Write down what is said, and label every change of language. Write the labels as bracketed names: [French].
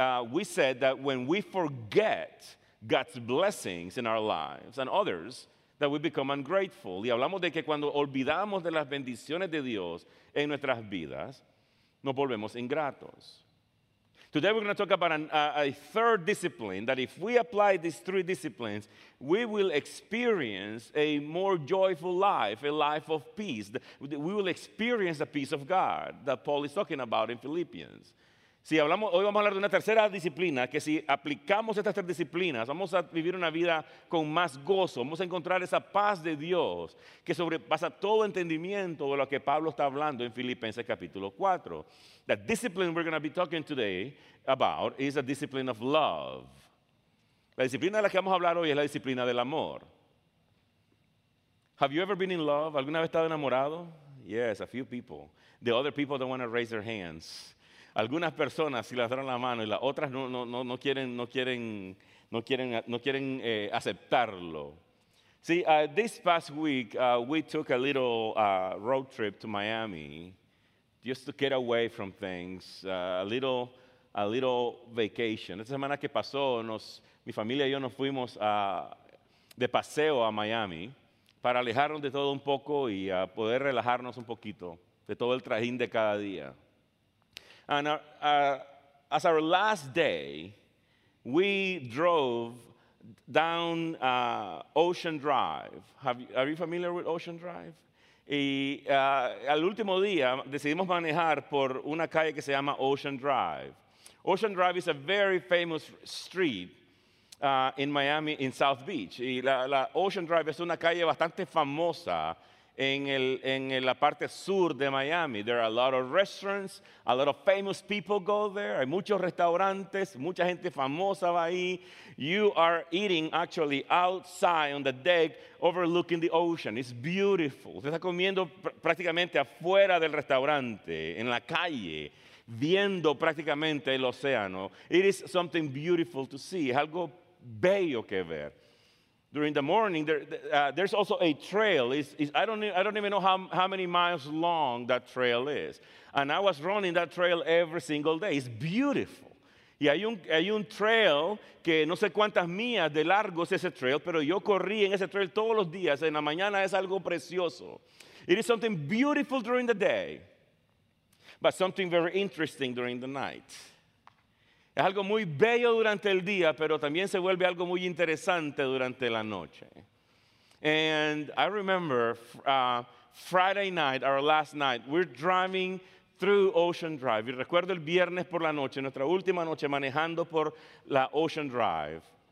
[English] We said that when we forget God's blessings in our lives and others, that we become ungrateful. [Spanish] Y hablamos de que cuando olvidamos de las bendiciones de Dios en nuestras vidas, nos volvemos ingratos. [English] Today we're going to talk about a third discipline, that if we apply these three disciplines, we will experience a more joyful life, a life of peace. We will experience the peace of God that Paul is talking about in Philippians. [Spanish] Si hablamos, hoy vamos a hablar de una tercera disciplina, que si aplicamos estas tres disciplinas, vamos a vivir una vida con más gozo, vamos a encontrar esa paz de Dios que sobrepasa todo entendimiento de lo que Pablo está hablando en Filipenses capítulo 4. [English] The discipline we're going to be talking today about is the discipline of love. [Spanish] La disciplina de la que vamos a hablar hoy es la disciplina del amor. [English] Have you ever been in love? [Spanish] ¿Alguna vez estado enamorado? [English] Yes, a few people. The other people don't want to raise their hands. [Spanish] Algunas personas sí levantaron la mano y las otras no quieren aceptarlo. [English] See, this past week we took a little road trip to Miami just to get away from things, a little vacation. [Spanish] Esta semana que pasó, mi familia y yo nos fuimos de paseo a Miami para alejarnos de todo un poco y a poder relajarnos un poquito de todo el trajín de cada día. [English] And as our last day, we drove down Ocean Drive. Are you familiar with Ocean Drive? [Spanish] Y al último día decidimos manejar por una calle que se llama Ocean Drive. [English] Ocean Drive is a very famous street in Miami, in South Beach. [Spanish] Y la Ocean Drive es una calle bastante famosa en la parte sur de Miami. [English] There are a lot of restaurants, a lot of famous people go there. [Spanish] Hay muchos restaurantes, mucha gente famosa va ahí. [English] You are eating actually outside on the deck overlooking the ocean. It's beautiful. [Spanish] Usted está comiendo prácticamente afuera del restaurante, en la calle, viendo prácticamente el océano. [English] It is something beautiful to see. [Spanish] Es algo bello que ver. [English] During the morning, there's also a trail. I don't even know how many miles long that trail is. And I was running that trail every single day. It's beautiful. [Spanish] Y hay un trail que no sé cuántas millas de largo es ese trail, pero yo corrí en ese trail todos los días. En la mañana es algo precioso. [English] It is something beautiful during the day, but something very interesting during the night. [Spanish] Es algo muy bello durante el día, pero también se vuelve algo muy interesante durante la noche. [English] And I remember Friday night, our last night, we're driving through Ocean Drive. [Spanish] Y recuerdo el viernes por la noche, nuestra última noche manejando por la Ocean Drive.